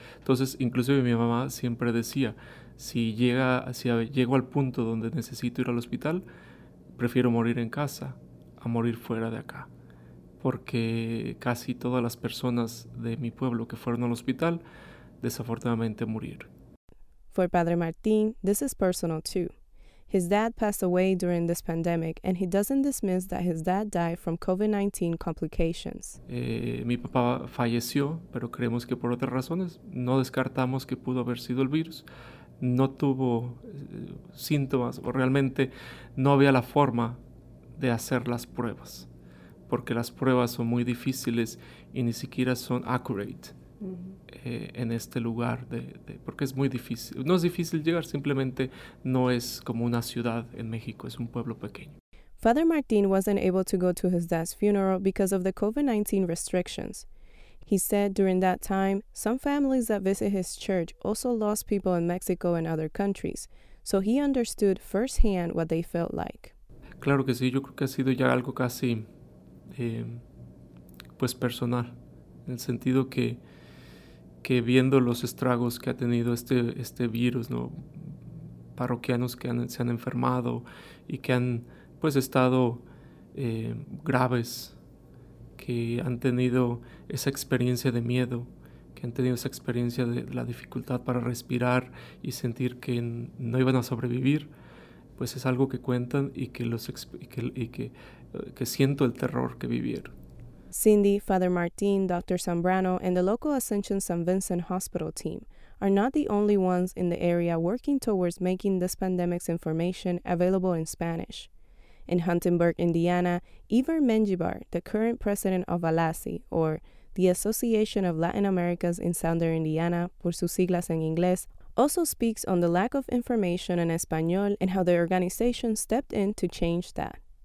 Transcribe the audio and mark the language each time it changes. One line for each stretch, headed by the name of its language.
Spanish: Entonces, inclusive mi mamá siempre decía, si llego al punto donde necesito ir al hospital, prefiero morir en casa a morir fuera de acá, porque casi todas las personas de mi pueblo que fueron al hospital desafortunadamente murieron.
English: For Padre Martín, this is personal too. His dad passed away during this pandemic, and he doesn't dismiss that his dad died from COVID-19 complications.
Spanish: Mi papá falleció, pero creemos que por otras razones. No descartamos que pudo haber sido el virus. No tuvo síntomas, o realmente no había la forma de hacer las pruebas, porque las pruebas son muy difíciles y ni siquiera son accurate. En este lugar, porque es muy difícil, no es difícil llegar, simplemente no es como una ciudad en México, es un pueblo pequeño.
English: Father Martin wasn't able to go to his dad's funeral because of the COVID-19 restrictions. He said during that time, some families that visit his church also lost people in Mexico and other countries, so he understood firsthand what they felt like.
Spanish: Claro que sí, yo creo que ha sido ya algo casi pues personal, en el sentido que viendo los estragos que ha tenido este virus, ¿no? Parroquianos que se han enfermado y que han pues estado graves, que han tenido esa experiencia de miedo, que han tenido esa experiencia de la dificultad para respirar y sentir que no iban a sobrevivir, pues es algo que cuentan y que siento el terror que vivieron.
English: Cindy, Father Martin, Dr. Zambrano, and the local Ascension San Vincent Hospital team are not the only ones in the area working towards making this pandemic's information available in Spanish. In Huntingburg, Indiana, Ivar Menjivar, the current president of ALASI, or the Association of Latin Americas in Southern Indiana,
Spanish: por sus siglas en inglés,
English: also speaks on the lack of information in Español and how the organization stepped in to change that.